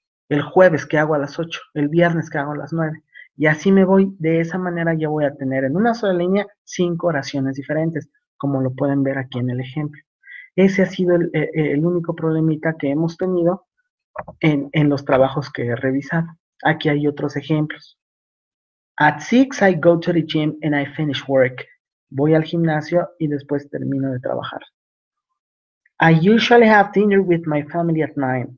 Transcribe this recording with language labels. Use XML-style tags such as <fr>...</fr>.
<es>El jueves, ¿qué hago a las 8? El viernes, ¿qué hago a las 9? Y así me voy. De esa manera ya voy a tener en una sola línea 5 oraciones diferentes, como lo pueden ver aquí en el ejemplo. Ese ha sido el único problemita que hemos tenido en los trabajos que he revisado. Aquí hay otros ejemplos.</es> <en>At 6, I go to the gym and I finish work.</en> <es>Voy al gimnasio y después termino de trabajar.</es> <en>I usually have dinner with my family at 9.</en>